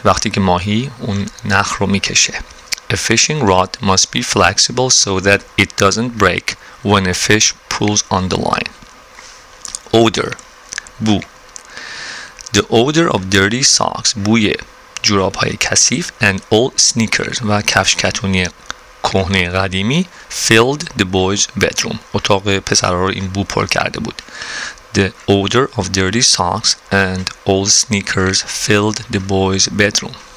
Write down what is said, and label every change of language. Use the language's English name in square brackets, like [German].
[Persian] وقتی که ماهی اون نخ رو میکشه. [English] A fishing rod must be flexible so that it doesn't break when a fish pulls on the line. Odor, بو. The odor of dirty socks, [Persian] بوی جوراب‌های کثیف [English] and old sneakers [Persian] و کفش کتونی کهنه قدیمی [English] filled the boys' bedroom. [Persian] اتاق پسرها رو این بو پر کرده بود. [English] The odor of dirty socks and old sneakers filled the boys' bedroom.